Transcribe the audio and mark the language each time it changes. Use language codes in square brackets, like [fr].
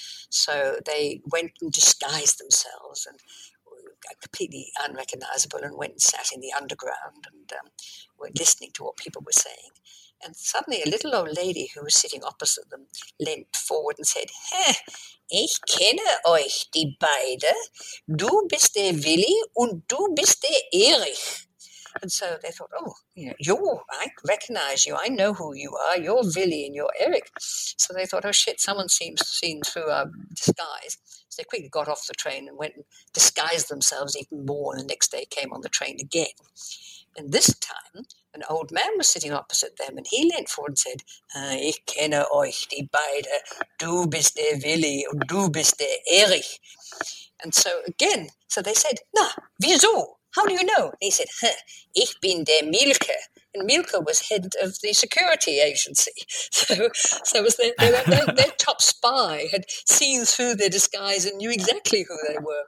[en] So they went and disguised themselves and completely unrecognizable, and went and sat in the underground and were listening to what people were saying. And suddenly a little old lady who was sitting opposite them leant forward and said, [de] "Ich kenne euch die beide. Du bist der Willi und du bist der Erich." [en] And so they thought, oh, you know, I recognize you. I know who you are. You're Willy and you're Eric. So they thought, oh, shit, someone seems seen through our disguise. So they quickly got off the train and went and disguised themselves even more, and the next day came on the train again. And this time, an old man was sitting opposite them, and he leant forward and said, [de] "Ich kenne euch die beide. Du bist der Willy und du bist der Erich." [en] And so again, so they said, [de] "Na, wieso? [en] How do you know?" And he said, [de] "Ich bin der Milke." [en] And Milke was head of the security agency. So was their top spy had seen through their disguise and knew exactly who they were.